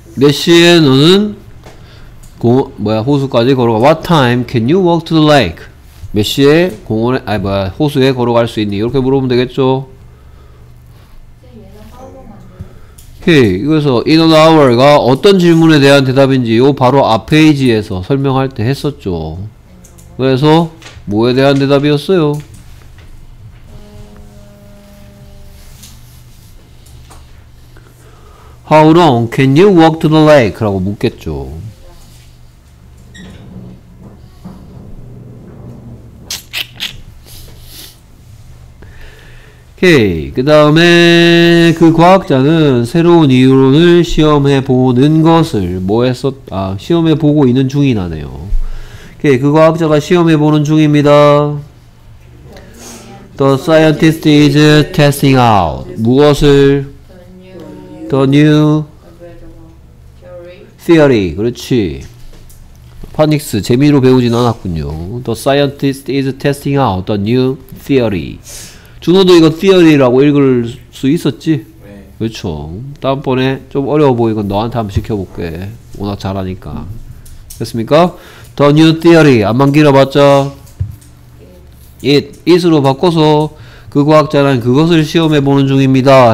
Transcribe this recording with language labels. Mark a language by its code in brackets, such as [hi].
[ko] 몇 시에 너는 호수까지 걸어가? [en] What time can you walk to the lake? [ko] 몇 시에 공원에 호수에 걸어갈 수 있니? 이렇게 물어보면 되겠죠. 오케이. 이거에서 [en] in an hour [ko] 가 어떤 질문에 대한 대답인지 요 바로 앞 페이지에서 설명할 때 했었죠. 그래서 뭐에 대한 대답이었어요? [en] 'How long can you walk to the lake?'라고 묻겠죠. [ko] 오케이. 그 다음에 그 과학자는 새로운 이론을 시험해 보는 것을 시험해 보고 있는 중이라네요. 오케이. 그 과학자가 시험해 보는 중입니다. [en] The scientist is testing out [ko] 무엇을? [en] The new [ko] theory. 그렇지. 파닉스 재미로 배우진 않았군요. [en] The scientist is testing out the new theory. [ko] 준호도 이거 theory라고 읽을 수 있었지? 네. 그렇죠. 다음번에 좀 어려워 보이건 너한테 한번 시켜볼게. 워낙 잘하니까. 됐습니까? [en] The new theory. [ko] 안만 길어봤자 it으로 바꿔서 그 과학자는 그것을 시험해 보는 중입니다.